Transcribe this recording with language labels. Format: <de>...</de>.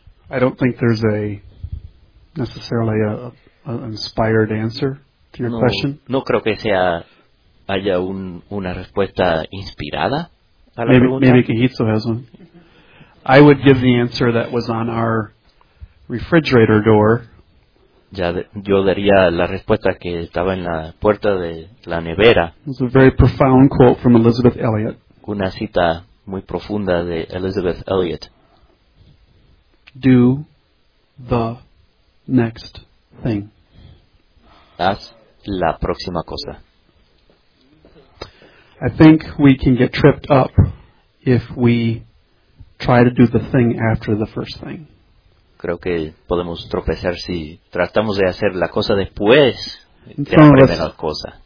<en>I don't think there's a necessarily an inspired answer to your question.</en> <es>No creo que sea haya una respuesta inspirada a la</es> <en>pregunta. Maybe Kijitsu has one. I would give the answer that was on our refrigerator door.</en> <es>Yo daría la respuesta que estaba en la puerta de la nevera.</es> <en>It's a very profound quote from Elizabeth Elliot.</en> <es>Una cita muy profunda de Elizabeth Elliot.</es> <en>Do the next thing.</en> <es>Haz la próxima cosa.</es> <en>I think we can get tripped up if we try to do the thing after the first thing.</en> <es>creo que podemos tropezar si tratamos de hacer la cosa después de la primera cosa.</es>